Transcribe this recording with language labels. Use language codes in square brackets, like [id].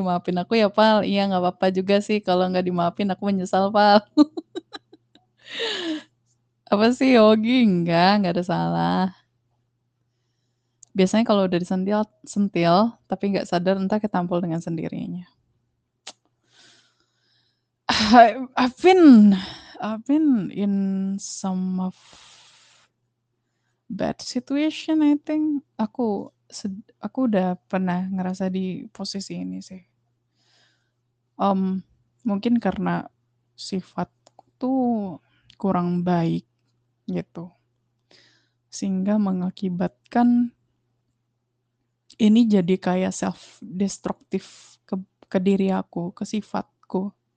[id] Maafin aku ya, Val. Iya, nggak apa-apa juga sih. Kalau nggak dimaafin, aku menyesal, Val. Apa sih, Yogi? Nggak ada salah. Biasanya kalau udah disentil, sentil, tapi nggak sadar, entah ketampol dengan sendirinya. [en] I've been in some of bad situation, I think. [id] Aku udah pernah ngerasa di posisi ini sih. Mungkin karena sifatku tuh kurang baik gitu. Sehingga mengakibatkan ini jadi kayak self-destructive ke diri aku, ke sifatku.